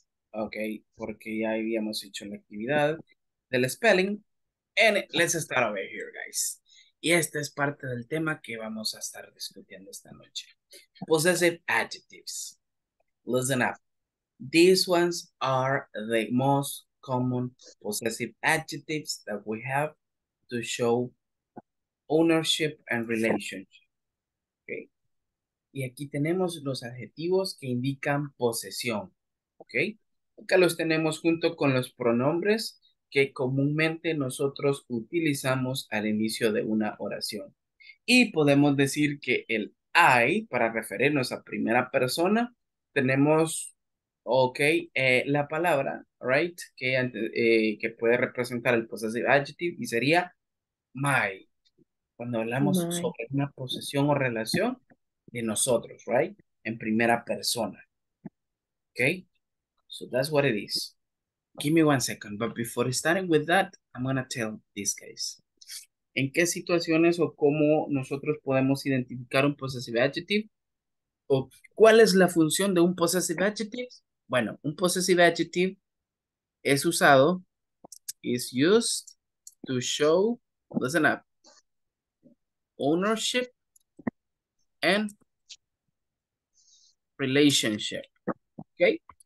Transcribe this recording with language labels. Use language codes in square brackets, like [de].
[es] Okay, porque ya habíamos hecho la actividad del spelling. [en] And let's start over here, guys. [es] Y esta es parte del tema que vamos a estar discutiendo esta noche. [en] Possessive adjectives. Listen up. These ones are the most common possessive adjectives that we have to show ownership and relationship. Okay. [es] Y aquí tenemos los adjetivos que indican posesión. Okay. Acá los tenemos junto con los pronombres que comúnmente nosotros utilizamos al inicio de una oración. Y podemos decir que el I, para referirnos a primera persona, tenemos, ok, la palabra, right, que puede representar el possessive adjective, y sería my. Cuando hablamos my sobre una posesión o relación de nosotros, right, en primera persona. [en] Ok, so that's what it is. Give me 1 second, but before starting with that, I'm gonna tell these guys. [es] ¿En qué situaciones o cómo nosotros podemos identificar un possessive adjective? ¿O cuál es la función de un possessive adjective? Bueno, un possessive adjective es usado, [en] is used to show, listen up, ownership and relationship. ¿Ok?